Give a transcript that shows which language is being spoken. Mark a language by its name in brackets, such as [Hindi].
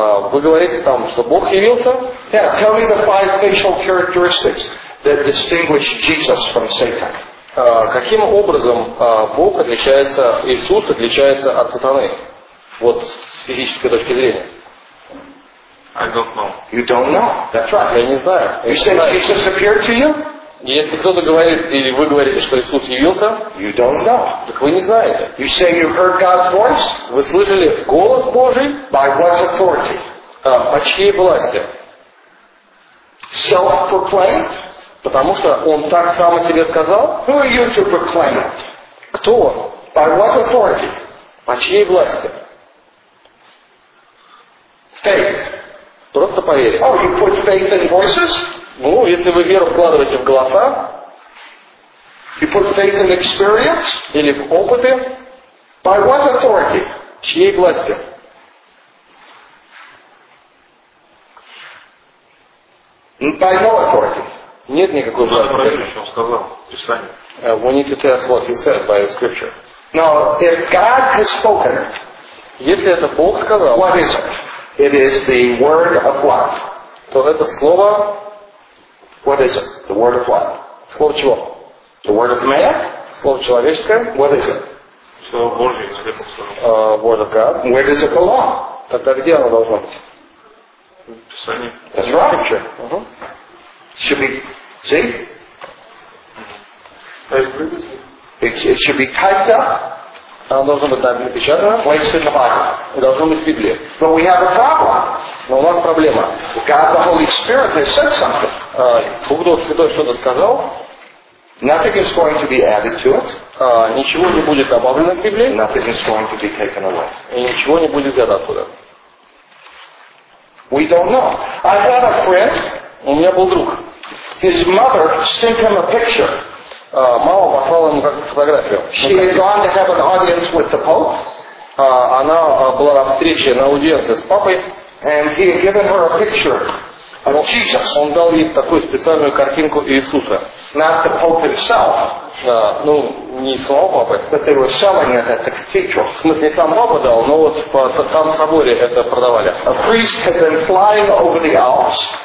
[Russian] Вы говорите там, что Бог явился? [English] Yeah, tell me the five facial characteristics that distinguish Jesus from Satan. [Russian] Каким образом Бог отличается, Иисус отличается от сатаны? Вот с физической точки зрения. [English] I don't know. You don't know. That's right. [Russian] Я не знаю. [English] You say Jesus appeared to you? [Russian] Если кто-то говорит, или вы говорите, что Иисус явился, [English] you don't know. [Russian] Так вы не знаете. [English] You say you heard God's voice? [Russian] Вы слышали голос Божий? [English] By what authority? [Russian] По чьей власти? [English] Self-proclaimed? [Russian] Потому что он так сам о себе сказал? [English] Who are you to proclaim it? [Russian] Кто он? [English] By what authority? [Russian] По чьей власти? [English] Faith. [Russian] Просто поверить. [English] Oh, you put faith in voices? [Russian] Ну, если вы веру вкладываете в голоса, [English] you put faith in experience? [Russian] Или в опыты, [English] by what authority? [Russian] Чьей властью? [English] By no authority. [Russian] Нет никакой власти. Ну, прощу, что он сказал, Писание. [English] We need to test what he said by the scripture. Now, if God has spoken, [Russian] если это Бог сказал, [English] what is it? It is the word of love. [Russian] То это слово, [English] what is it? The word of love. [Russian] Слово чего? [English] The word of man. [Russian] Слово человеческое. [English] What is it? [Russian] Слово Божье. [English] Word of God. Where does it belong? [Russian] Тогда где оно должно быть? Писание. [English] That's right. Scripture. Should be, see? It should be typed up. [Russian] Оно должно быть напечатано. [English] Placed in the Bible. [Russian] И должно быть в Библии. [English] But we have a problem. [Russian] Но у нас проблема. [English] God, the Holy Spirit, has said something. [Russian] Бог Дух Святой что-то сказал. [English] Nothing is going to be added to it. [Russian] Ничего не будет добавлено к Библии. [English] Nothing is going to be taken away. [Russian] И ничего не будет взято оттуда. [English] We don't know. I had a friend. [Russian] У меня был друг. [English] His mother sent him a picture. [Russian] Мама послала ему как-то фотографию. [English] She had gone to have an audience with the Pope. [Russian] Она была на встрече, на аудиенции с папой. [English] And he had given her a picture of Jesus. [Russian] Он дал ей такую специальную картинку Иисуса. [English] Not the Pope himself. [Russian] Ну, не самого папы. [English] But they were selling it at the cathedral. [Russian] В смысле, не сам папа дал, но вот в там соборе это продавали. [English] A priest had been flying over the Alps.